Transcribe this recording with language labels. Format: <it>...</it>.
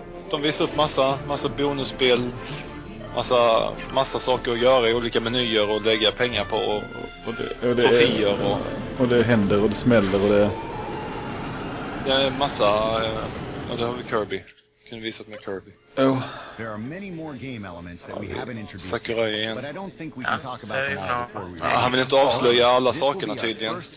<sv>De visar upp massa bonusspel. Massa saker att göra i olika menyer och lägga pengar på. Och troféer och... Och det händer och det smäller och det... Det är massa... Ja, då har vi Kirby. kunde visat med Kirby.</sv> <en>Oh. There are many more game elements that we haven't introduced.</en> <sv>Sakurai igen.</sv> <en>But I don't think we can talk about them all before we.</en> <sv>Han vill inte avslöja alla sakerna tydligen.</sv>